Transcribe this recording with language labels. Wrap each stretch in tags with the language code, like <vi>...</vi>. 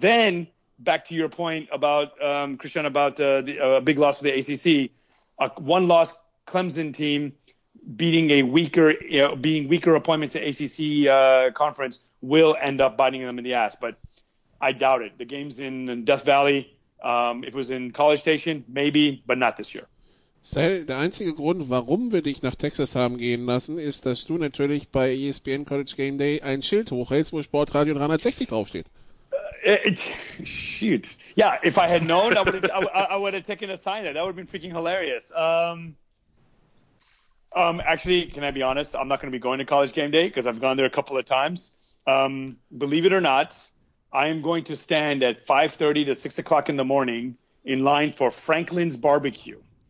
<en>Then back to your point about Christian, about a big loss for the ACC, a one loss Clemson team beating a weaker, you know, being weaker appointments to ACC conference will end up biting them in the ass. But I doubt it. The game's in Death Valley. If it was in College Station, maybe, but not this year.</en> <de>Sal, der einzige Grund, warum wir dich nach Texas haben gehen lassen, ist, dass du natürlich bei ESPN College Game Day ein Schild hochhältst, wo Sportradio 360 draufsteht.</de> <en>Shoot. Yeah, if I had known, I would have taken a sign there. That would have been freaking hilarious. Actually, can I be honest? I'm not going to be going to College Game Day because I've gone there a couple of times. Believe it or not, I am going to stand at 5:30 to 6 o'clock in the morning in line for Franklin's Barbecue.</en>